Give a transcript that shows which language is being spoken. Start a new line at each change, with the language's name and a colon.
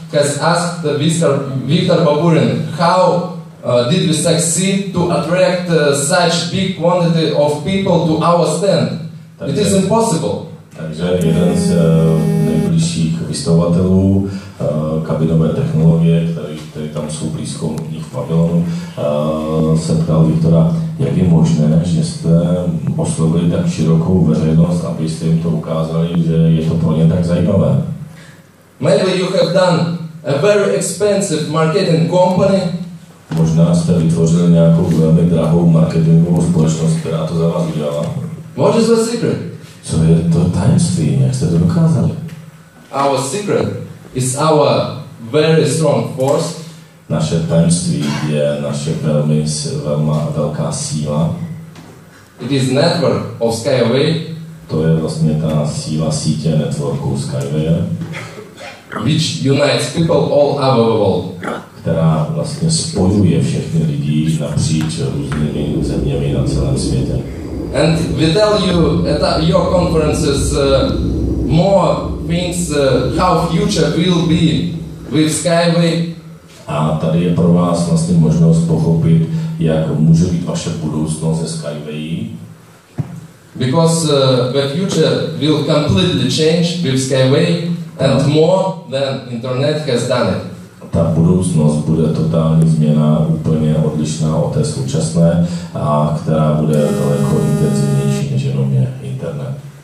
English: has asked Viktor Baburin, how did we succeed to attract such big quantity of people to our stand? It is impossible.
Czech: Takže jeden z nejbližších vystavovatelů kabinové technologie, které tam jsou blízko u nich v pavilonu, se ptal Viktora, jak je možné, že jste oslovili tak širokou veřejnost, abyste jim to ukázali, že je to pro ně tak zajímavé.
English: Maybe you have done a very expensive marketing company.
Czech: Možná jste vytvořili nějakou velmi drahou marketingovou společnost, která to za vás udělala.
English: What is the secret?
Czech: Co je to tajemství, jak jste to dokázali?
English: Our secret is our very strong force.
Czech: Naše tajemství je naše velmi velmi velká síla.
English: It is network of Skyway.
Czech: To je vlastně ta síla sítě networku Skyway.
English: Which unites people all over the world.
Czech: Která vlastně spojuje všechny lidi napříč různými zeměmi na celém světě.
English: And we tell you at your conferences more things how future will be with Skyway.
Czech: A tady je pro vás vlastně možnost pochopit, jak může být vaše budoucnost se Skyway.
English: Because the future will completely change with Skyway and more than internet has done it.
Czech: Ta budoucnost bude totální změna, úplně odlišná od té současné, a která bude daleko intenzivnější než jenom je internet.